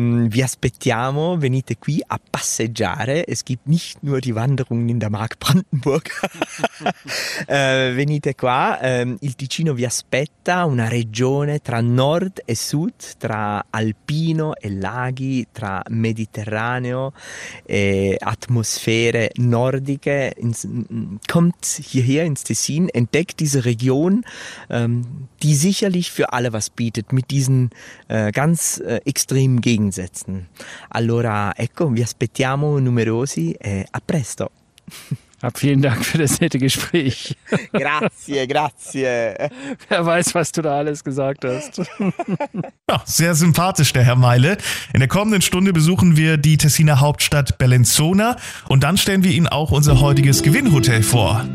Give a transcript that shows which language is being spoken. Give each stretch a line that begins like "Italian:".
Italian: vi aspettiamo, venite qui a passeggiare.
German: Es gibt nicht nur die Wanderungen in der Mark Brandenburg.
Italian: venite qua, il Ticino vi aspetta, una regione tra nord e sud, tra alpino e laghi, tra Mediterraneo e atmosfere nordiche.
German: kommt hierher ins Tessin, entdeckt diese Region, die sicherlich für alle was bietet, mit diesen ganz extremen Gegensätzen.
Italian: Allora, ecco, vi aspettiamo numerosi e a presto.
German: Vielen Dank für das nette Gespräch.
Italian: Grazie, grazie.
German: Wer weiß, was du da alles gesagt hast. Ja, sehr sympathisch, der Herr Meile. In der kommenden Stunde besuchen wir die Tessiner Hauptstadt Bellinzona und dann stellen wir Ihnen auch unser heutiges Gewinnhotel vor.